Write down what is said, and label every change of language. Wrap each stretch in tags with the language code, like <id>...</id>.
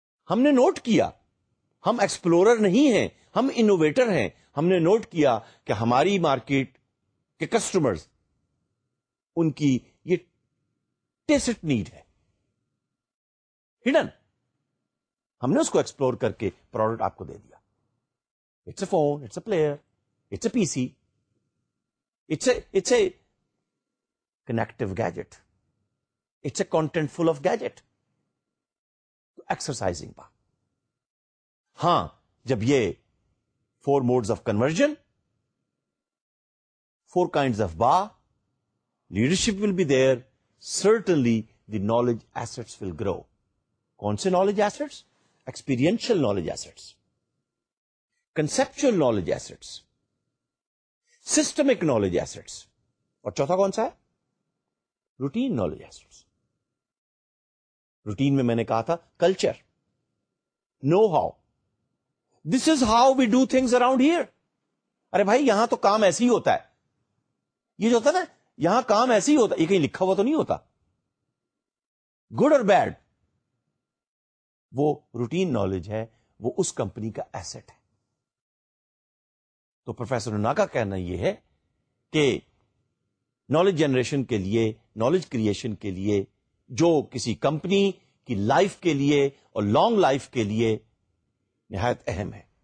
<ur>ہم نے نوٹ کیا, ہم ایکسپلورر نہیں ہیں, ہم انوویٹر ہیں. ہم نے نوٹ کیا کہ ہماری مارکیٹ کے کسٹمرز, ان کی یہ ٹیسٹ نیڈ ہے, ہڈن. ہم نے اس کو ایکسپلور کر کے پروڈکٹ آپ کو دے دیا.</ur> <en>It's a phone, it's a player, it's a PC, it's a connective gadget, it's a content full of gadget. Exercising pa.</en> <ur>Haan, jab ye</ur> <en>four modes of conversion, four kinds of ba, leadership will be there, certainly the knowledge assets will grow. Kaun se knowledge assets? Experiential knowledge assets. Conceptual knowledge assets, systemic knowledge assets,</en> <ur>اور چوتھا کون سا ہے؟</ur> <en>Routine knowledge assets.</en> <ur>Routine میں میں نے کہا تھا culture, know-how.</ur> <en>This is how we do things around here.</en> <ur>ارے بھائی یہاں تو کام ایسے ہی ہوتا ہے, یہ جو ہوتا نا یہاں کام ایسے ہی ہوتا, یہ کہیں لکھا ہوا تو نہیں ہوتا.</ur> <en>Good or bad,</en> <ur>وہ routine knowledge ہے, وہ اس کمپنی کا asset ہے. تو پروفیسر اوناکا کا کہنا یہ ہے کہ نالج جنریشن کے لیے, نالج کریشن کے لیے, جو کسی کمپنی کی لائف کے لیے اور لانگ لائف کے لیے نہایت اہم ہے.</ur>